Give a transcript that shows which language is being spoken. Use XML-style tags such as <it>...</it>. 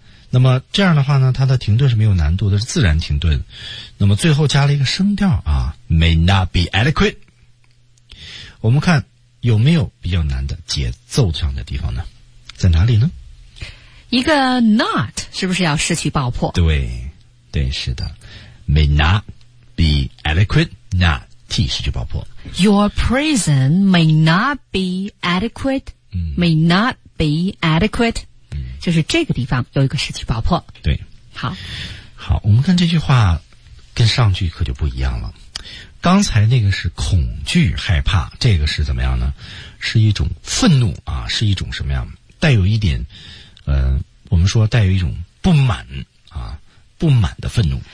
<zh>那么这样的话呢，它的停顿是没有难度的，是自然停顿。那么最后加了一个声调啊，</zh> <en>may not be adequate。</en> <zh>我们看有没有比较难的节奏上的地方呢，在哪里呢？一个 not 是不是要失去爆破？对对，是的，</zh> <en>may not be adequate，</en> <zh>not T 失去爆破。</zh> <en>Your prison may not be adequate、may not be adequate、</en> <zh>就是这个地方有一个失去爆破。对，好好，我们看这句话跟上句可就不一样了。刚才那个是恐惧害怕，这个是怎么样呢？是一种愤怒啊，是一种什么样，带有一点我们说带有一种不满啊，不满的愤怒。</zh>